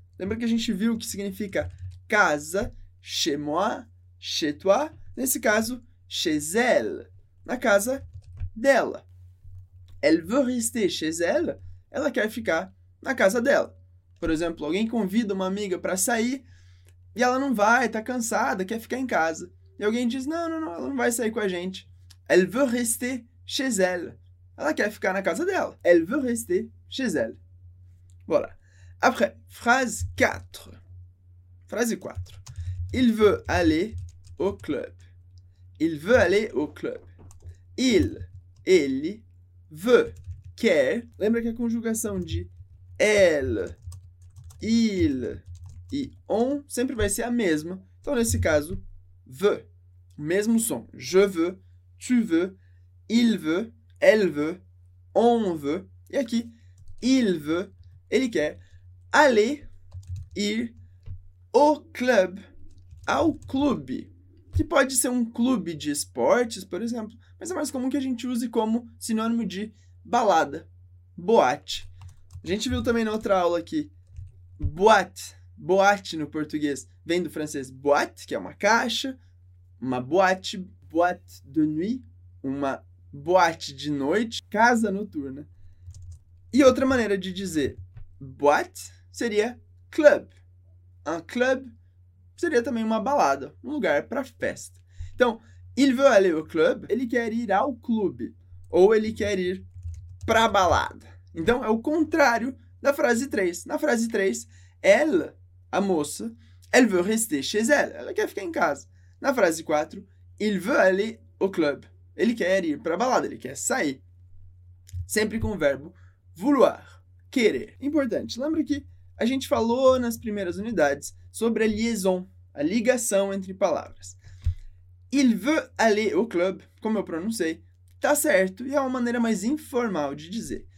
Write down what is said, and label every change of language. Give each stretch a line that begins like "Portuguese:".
Portuguese: Lembra que a gente viu que significa casa,
French: chez moi, chez toi,
Portuguese: nesse caso,
French: chez elle,
Portuguese: na casa dela.
French: Elle veut rester chez elle,
Portuguese: ela quer ficar na casa dela. Por exemplo, alguém convida uma amiga para sair e ela não vai, tá cansada, quer ficar em casa. E alguém diz: não, não, não, ela não vai sair com a gente.
French: Elle veut rester chez elle.
Portuguese: Ela quer ficar na casa dela.
French: Elle veut rester chez elle. Voilà. Après, phrase 4. Phrase 4. Il veut aller au club. Il veut aller au club.
Portuguese: Ele, veut, quer. Lembra que a conjugação de elle, il e on sempre vai ser a mesma. Então, nesse caso, veut. Mesmo som.
French: Je veux, tu veux, il veut, elle veut, on veut.
Portuguese: E aqui,
French: il veut,
Portuguese: ele quer aller, ir
French: au club,
Portuguese: ao clube. Que pode ser um clube de esportes, por exemplo, mas é mais comum que a gente use como sinônimo de balada, boate. A gente viu também na outra aula que boate, boate no português, vem do francês boate, que é uma caixa. Uma boate,
French: boîte de nuit,
Portuguese: uma boate de noite, casa noturna. E outra maneira de dizer boîte seria club. Un club seria também uma balada, um lugar para festa. Então,
French: il veut aller au club,
Portuguese: ele quer ir ao clube, ou ele quer ir pra balada. Então, é o contrário da frase 3. Na frase 3, elle, a moça,
French: elle veut rester chez elle,
Portuguese: ela quer ficar em casa. Na frase 4,
French: il veut aller au club.
Portuguese: Ele quer ir para a balada, ele quer sair. Sempre com o verbo vouloir, querer. Importante, lembra que a gente falou nas primeiras unidades sobre a liaison, a ligação entre palavras.
French: Il veut aller au club,
Portuguese: como eu pronunciei, tá certo e é uma maneira mais informal de dizer.